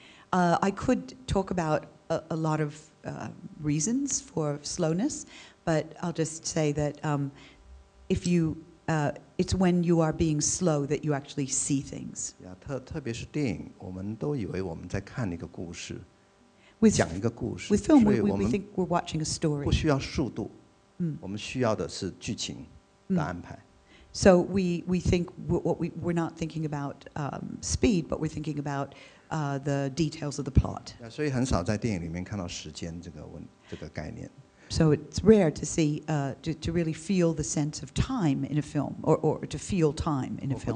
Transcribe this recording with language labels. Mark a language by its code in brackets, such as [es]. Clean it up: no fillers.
[en] I could talk about a lot of reasons for slowness, but I'll just say that it's when you are being slow that you actually see things. [zh] 特别是电影，我们都以为我们在看一个故事。 [en] With film, we think we're watching a story. [zh] 不需要速度, 我们需要的是剧情, 答安排。 [en] So we think we're not thinking about speed, but we're thinking about the details of the plot. [zh] 所以很少在电影里面看到时间这个概念。 [en] So it's rare to see, to really feel the sense of time in a film, or to feel time in a film.